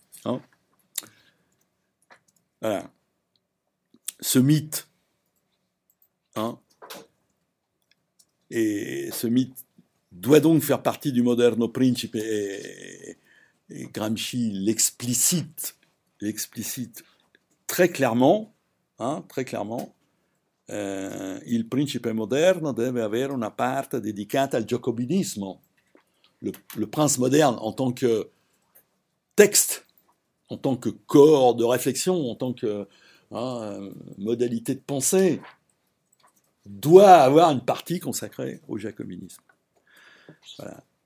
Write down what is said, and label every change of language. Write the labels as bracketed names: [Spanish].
[French] Hein, voilà. Ce mythe, hein, et ce mythe doit donc faire partie du moderno principe, et Gramsci l'explicite très clairement, hein, très clairement. [Italian] Il principe moderno deve avere una parte dedicata al giacobinismo. [French] Le prince moderne, en tant que texte, en tant que corps de réflexion, en tant que modalité de pensée, doit avoir une partie consacrée au jacobinisme. Voilà.